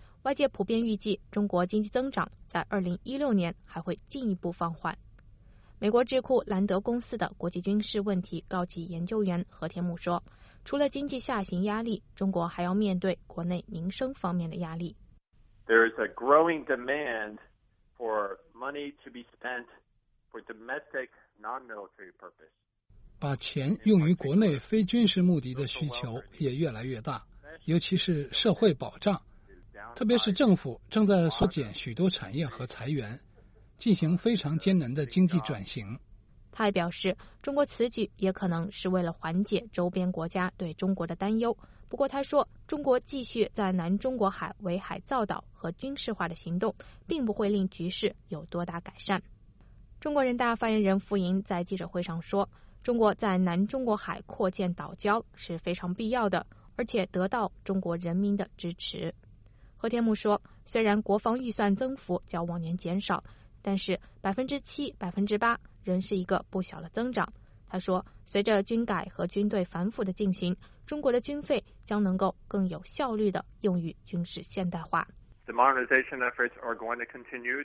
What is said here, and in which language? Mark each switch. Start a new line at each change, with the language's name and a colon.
Chinese: 外界普遍预计中国经济增长在2016年还会进一步放缓。美国智库兰德公司的国际军事问题高级研究员何天木说，除了经济下行压力，中国还要面对国内民生方面的压力。
English: There is a growing demand for money to be spent for domestic non-military purpose.
Chinese: 把钱用于国内非军事目的的需求也越来越大，尤其是社会保障，特别是政府正在缩减许多产业和裁员，进行非常艰难的经济转型。他还表示，中国此举也可能是为了缓解周边国家对中国的担忧，不过他说，中国继续在南中国海围海造岛和军事化的行动并不会令局势有多大改善。中国人大发言人傅莹在记者会上说，中国在南中国海扩建岛礁是非常必要的，而且得到中国人民的支持。何天木说，虽然国防预算增幅较往年减少，但是 7%、8% 仍是一个不小的增长。他说，随着军改和军队反腐的进行，中国的军费将能够更有效率地用于军事现代化。
English: The modernization efforts are going to continue.